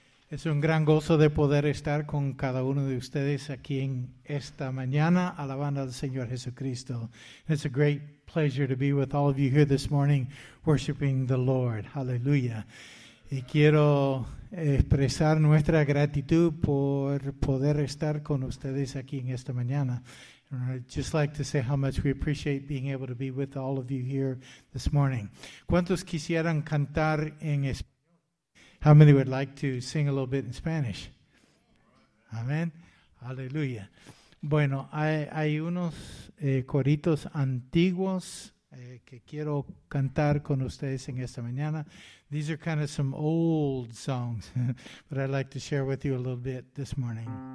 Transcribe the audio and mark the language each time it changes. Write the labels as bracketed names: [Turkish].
[Spanish] Es un gran gozo de poder estar con cada uno de ustedes aquí en esta mañana, alabando al Señor Jesucristo. [English] It's a great pleasure to be with all of you here this morning, worshiping the Lord. Hallelujah. [Spanish] Y quiero expresar nuestra gratitud por poder estar con ustedes aquí en esta mañana. [English] I'd just like to say how much we appreciate being able to be with all of you here this morning. [Spanish] ¿Cuántos quisieran cantar en español? [English] How many would like to sing a little bit in Spanish? [Spanish] Amen. Aleluya. Bueno, hay unos coritos antiguos que quiero cantar con ustedes en esta mañana. [English] These are kind of some old songs, but I'd like to share with you a little bit this morning.